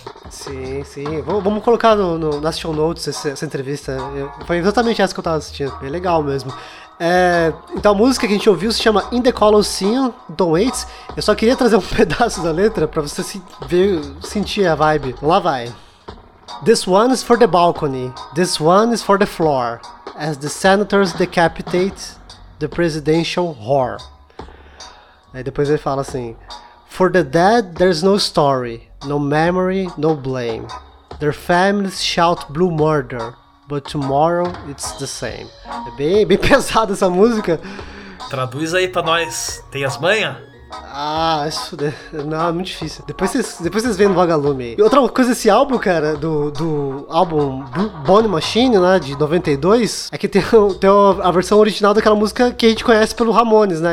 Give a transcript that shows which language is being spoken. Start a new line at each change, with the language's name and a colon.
Portuguese: Sim, sim. Vamos colocar nas show notes essa entrevista. Foi exatamente essa que eu tava assistindo. Bem legal mesmo. Então a música que a gente ouviu se chama In The Colosseum, Tom Waits. Eu só queria trazer um pedaço da letra pra você sentir a vibe. Lá vai.
English: This one is for the balcony. This one is for the floor. As the senators decapitate the presidential whore.
Portuguese: Aí depois ele fala assim.
English: For the dead, there's no story. No memory, no blame. Their families shout blue murder, but tomorrow it's the same.
Portuguese: É bem, bem pesada essa música. Traduz aí pra nós. Tem as manhas? Ah, isso. Não, é muito difícil. Depois vocês veem no Vagalume. E outra coisa, esse álbum, cara, do álbum Bone Machine, né, de 92, é que tem a versão original daquela música que a gente conhece pelo Ramones, né?